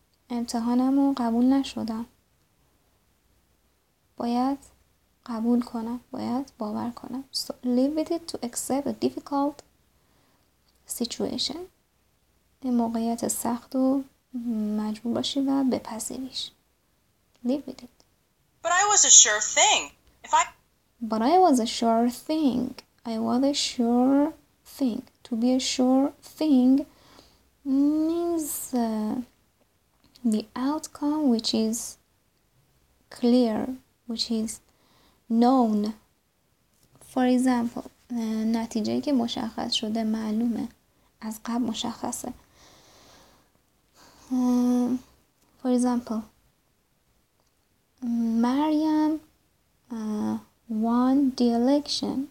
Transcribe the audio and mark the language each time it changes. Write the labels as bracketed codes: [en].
[fa] امتحانم رو قبول نشدم. باید قبول کنم. باید باور کنم. [en] So live with it to accept a difficult situation. [fa] این موقعیت سخت و مجبور باشی و بپذیریش. [en] Live with it. But I was a sure thing. But I was a sure thing. I was a sure thing. To be a sure thing means the outcome which is clear, which is known. For example, [fa] نتیجه که مشخص شده معلومه. از قبل مشخصه. [en] For example, Maryam won the election.